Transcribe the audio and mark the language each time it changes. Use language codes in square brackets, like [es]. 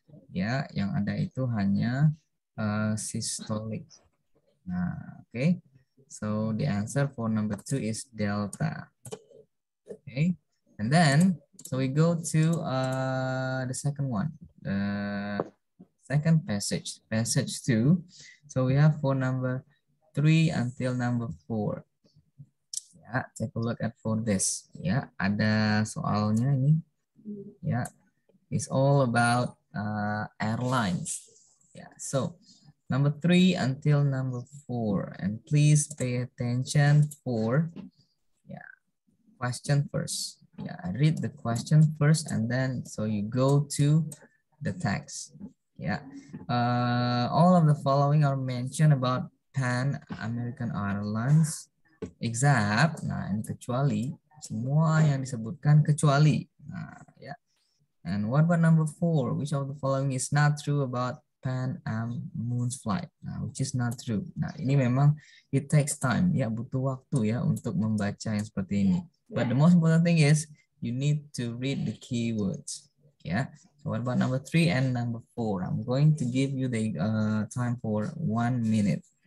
[id] Ya, yang ada itu hanya systolic. Nah, okay. [en] So the answer for number two is delta. Okay. And then, so we go to the second one, the second passage, passage two. So we have for number three until number four. Ya, take a look at for this. Ya, [id] ada soalnya ini. [en] Ya, it's all about airlines. Yeah. So number three until number four, and please pay attention for question first. Yeah, read the question first, and then so you go to the text. Yeah. All of the following are mentioned about Pan American Airlines, except. [id] Nah, ini kecuali semua yang disebutkan kecuali. [en] Nah, yeah. And what about number four? Which of the following is not true about Pan Am Moon's flight? Nah, which is not true? Nah, [id] ini memang [en] it takes time. [id] Ya, butuh waktu ya untuk membaca yang seperti ini. [en] But the most important thing is you need to read the keywords. Ya. So what about number three and number four? I'm going to give you the time for 1 minute.